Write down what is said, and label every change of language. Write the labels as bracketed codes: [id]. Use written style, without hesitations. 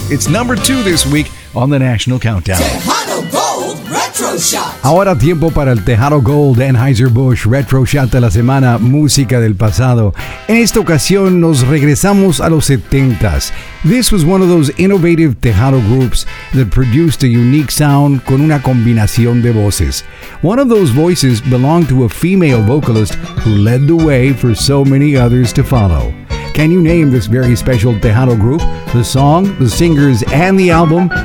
[en] It's number 2 this week on the national countdown. Tejano Gold Retro Shot. [es] Ahora tiempo para el Tejano Gold Anheuser-Busch Retro Shot de la semana. Música del pasado. En esta ocasión nos regresamos a los 70s. [en] This was one of those innovative Tejano groups that produced a unique sound [es] con una combinación de voces. [en] One of those voices belonged to a female vocalist who led the way for so many others to follow. Can you name this very special Tejano group, the song, the singers, and the album?